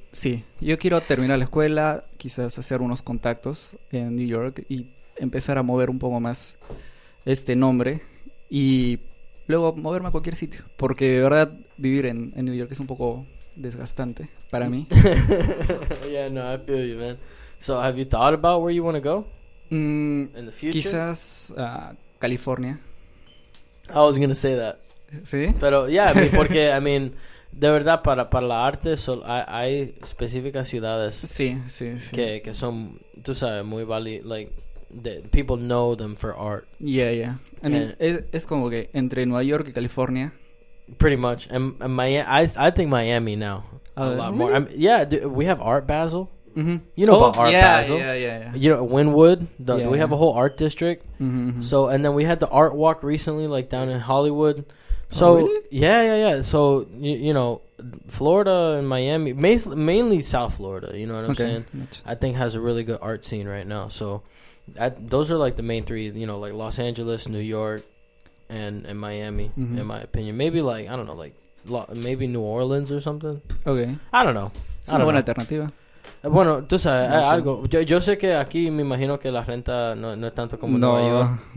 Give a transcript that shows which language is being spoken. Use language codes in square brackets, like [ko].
[es] Sí, yo quiero terminar la escuela, quizás hacer unos contactos en New York y empezar a mover un poco más este nombre y luego moverme a cualquier sitio, porque de verdad vivir en New York es un poco desgastante para mí. [en] Yeah, no, I feel you, man. So, have you thought about where you want to go? In the future? [es] Quizás California. [en] I was gonna say that. [es] Sí. Pero yeah, porque I mean, de verdad para la arte hay específicas ciudades. Sí. Que son, tú sabes, muy valiosas. [en] Like people know them for art. Yeah. [es] Es como que entre Nueva York y California. [en] Pretty much. And Miami. I think Miami now a lot really? More. We have Art Basel. Mm-hmm. You know about Art Basel. Yeah. You know, Wynwood. Yeah, we have a whole art district. Mm-hmm. So, and then we had the art walk recently, like down in Hollywood. So, oh, really? Yeah. So, you know, Florida and Miami, mainly South Florida, you know what I'm saying? I think has a really good art scene right now. So, Those are like the main three, you know, like Los Angeles, New York, and Miami, in my opinion. Maybe like, I don't know, like maybe New Orleans or something. Okay. I don't know. [es] Es una buena alternativa. Bueno, tú sabes, no, algo. Yo sé que aquí me imagino que la renta no es tanto como Nueva York.